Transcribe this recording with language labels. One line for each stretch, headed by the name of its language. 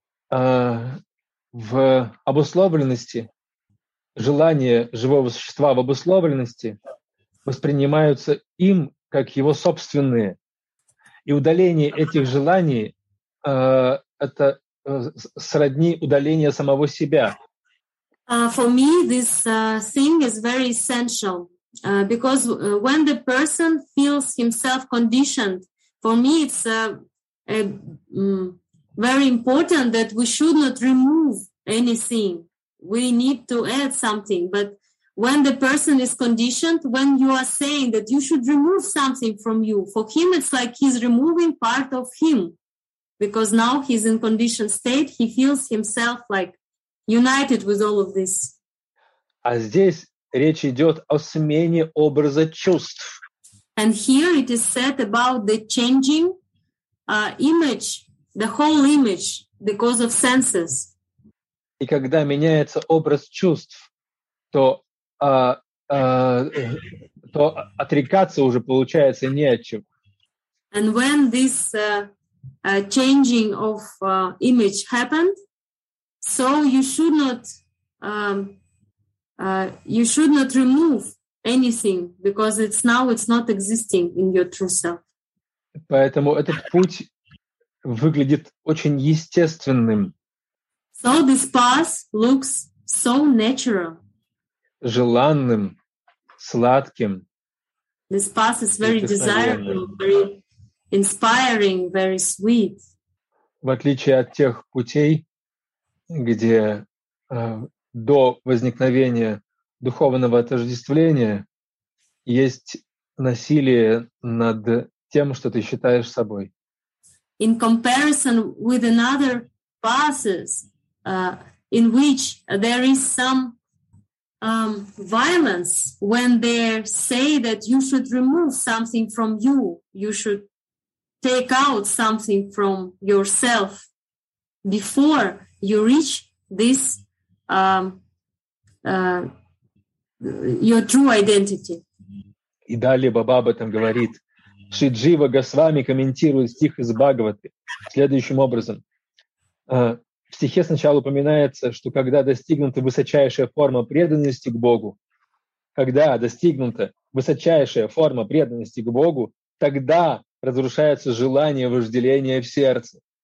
Russian: В обусловленности желания живого существа в обусловленности воспринимаются им как его собственные. И удаление этих желаний это сродни удаления самого себя.
English: For me, this thing is very essential because when the person feels himself conditioned, for me it's very important that we should not remove anything. We need to add something. But when the person is conditioned, when you are saying that you should remove something from you, for him it's like he's removing part of him. Because now he's in conditioned state, he feels himself like united with all of this.
Russian: А здесь речь идет о смене образа чувств.
English: And here it is said about the changing image, the whole image, because of senses.
Russian: И когда меняется образ чувств, то, то отрекаться уже получается не от чего.
English: And when this changing of image happened, so you should not remove anything because it's now it's not existing in your true self.
Russian: Поэтому этот путь выглядит очень естественным.
English: So this path looks so natural.
Russian: Желанным, сладким.
English: This path is very desirable, very inspiring, very sweet.
Russian: В отличие от тех путей, где до возникновения духовного отождествления есть насилие над тем, что ты считаешь собой.
English: In comparison with another passes, in which there is some violence when they say that you should remove something from you, you should take out something from yourself before you reach this your true identity.
Russian: И далее Баба об этом говорит. Шри Джива Госвами комментирует стих из Бхагаваты следующим образом. В стихе сначала упоминается, что когда достигнута высочайшая форма преданности к Богу, когда достигнута высочайшая форма преданности к Богу, тогда разрушается желание вожделения в сердце.